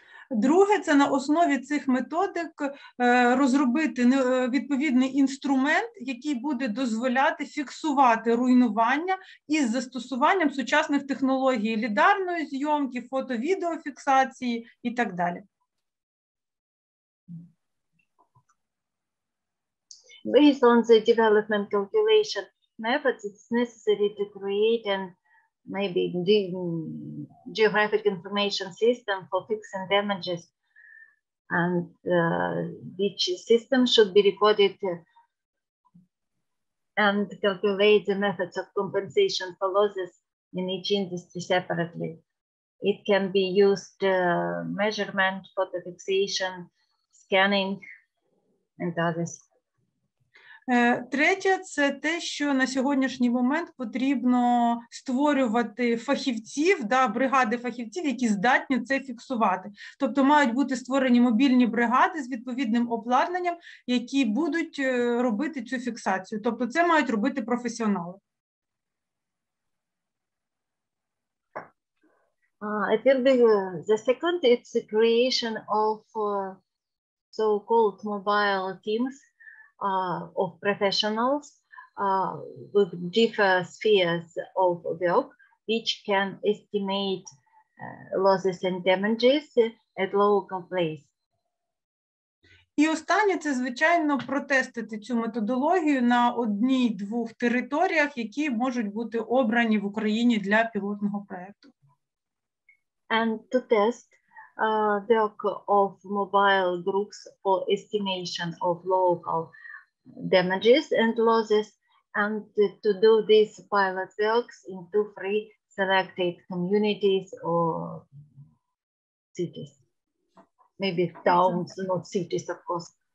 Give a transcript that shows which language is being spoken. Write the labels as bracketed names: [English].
[Ukrainian] Друге, це на основі цих методик розробити відповідний інструмент, який буде дозволяти фіксувати руйнування із застосуванням сучасних технологій лідарної зйомки, фото-відеофіксації і так далі. [English] Based on the development calculation methods, it's necessary to create and maybe the geographic information system for fixing damages, and which system should be recorded and calculate the methods of compensation for losses in each industry separately. It can be used measurement, photo fixation, scanning, and others. [Ukrainian] Третє – це те, що на сьогоднішній момент потрібно створювати фахівців, да, бригади фахівців, які здатні це фіксувати. Тобто мають бути створені мобільні бригади з відповідним обладнанням, які будуть робити цю фіксацію. Тобто це мають робити професіонали. [English] The second – it's the creation of so-called mobile teams. Of professionals with different spheres of work, which can estimate losses and damages at local place. [Ukrainian] І останнє – це, звичайно, протестити цю методологію на одній-двох територіях, які можуть бути обрані в Україні для пілотного проєкту. [English] And to test the work of mobile groups for estimation of local damages and losses, and to do these pilot works in 2-3 selected communities or cities, maybe towns, not cities, of course.